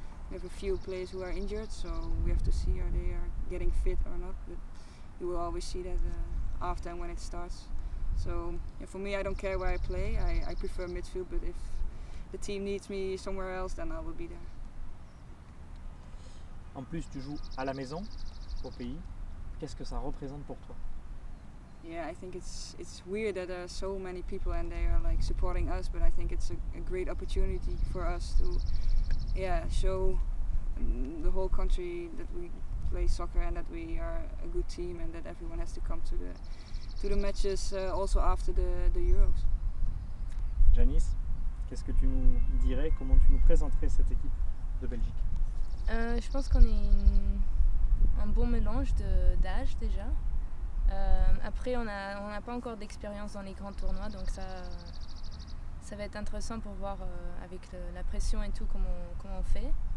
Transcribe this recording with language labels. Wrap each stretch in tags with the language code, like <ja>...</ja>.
<en>We have a few players who are injured, so we have to see are they are getting fit or not. But you will always see that after and when it starts. So yeah, for me, I don't care where I play. I prefer midfield, but if the team needs me somewhere else, then I will be there.</en> <fr>En plus, tu joues à la maison, au pays. Qu'est-ce que ça représente pour toi?</fr> <en>Yeah, I think it's weird that there are so many people and they are like supporting us, but I think it's a great opportunity for us to show the whole country that we play soccer and that we are a good team and that everyone has to come to the matches also after the Euros.</en> <fr>Janis, qu'est-ce que tu nous dirais, comment tu nous présenterais cette équipe de Belgique? Je pense qu'on est un bon mélange d'âge déjà. Après, on n'a pas encore d'expérience dans les grands tournois, donc ça va être intéressant pour voir avec la pression et tout comment on fait.</fr>